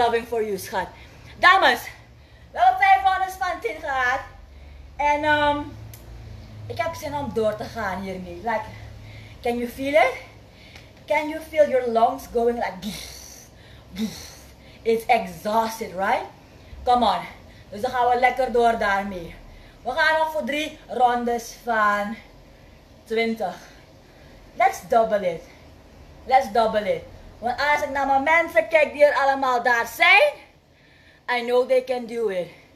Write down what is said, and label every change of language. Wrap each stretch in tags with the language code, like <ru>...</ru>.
<nl>Dames, we hebben 500 van 10 gehad. En ik heb zin om door te gaan hiermee.</nl> <en>Like, can you feel it? Can you feel your lungs going like this? It's exhausted, right? Come on.</en> <nl>Dus dan gaan we lekker door daarmee. We gaan nog voor 3 rondes van 20.</nl> <en>Let's double it. Let's double it.</en> <nl>Want als ik naar mijn mensen kijk die er allemaal daar zijn,</nl> <en>I know they can do it.</en>